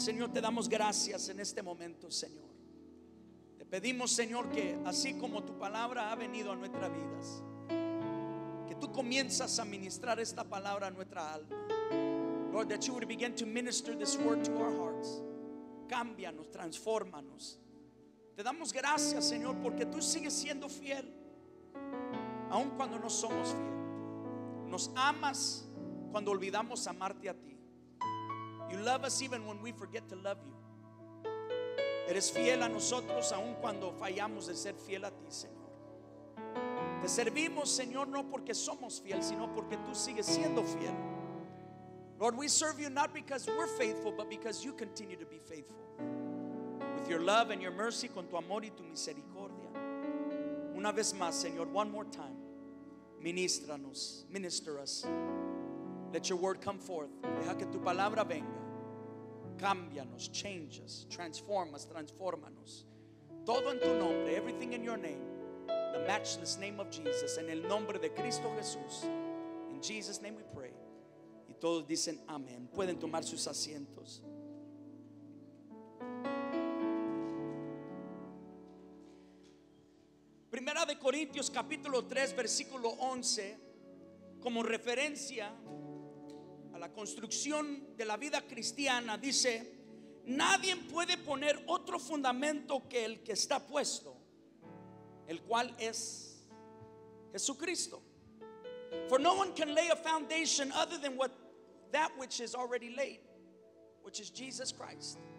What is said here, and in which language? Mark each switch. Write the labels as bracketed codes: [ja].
[es] Señor, te damos gracias en este momento, Señor. Te pedimos, Señor, que así como tu palabra ha venido a nuestras vidas, que tú comienzas a ministrar esta palabra a nuestra alma. [en] Lord, that you would begin to minister this word to our hearts. [es] Cámbianos, transfórmanos. Te damos gracias, Señor, porque tú sigues siendo fiel, aun cuando no somos fiel. Nos amas cuando olvidamos amarte a ti. [en] You love us even when we forget to love you. [es] Eres fiel a nosotros aun cuando fallamos de ser fiel a ti, Señor. Te servimos, Señor, no porque somos fiel, sino porque tú sigues siendo fiel. [en] Lord, we serve you not because we're faithful, but because you continue to be faithful. With your love and your mercy, [es] con tu amor y tu misericordia. Una vez más, Señor, [en] one more time, [es] ministranos, [en] minister us. Let your word come forth. [es] Deja que tu palabra venga. Cámbianos, [en] change us, transform us, [es] transfórmanos. Todo en tu nombre, [en] everything in your name, the matchless name of Jesus, [es] en el nombre de Cristo Jesús. [en] In Jesus' name we pray. [es] Y todos dicen amén. Pueden tomar sus asientos. Primera de Corintios capítulo 3 versículo 11, como referencia a la construcción de la vida cristiana, dice: nadie puede poner otro fundamento que el que está puesto, el cual es Jesucristo. [en] For no one can lay a foundation other than what that which is already laid, which is Jesus Christ.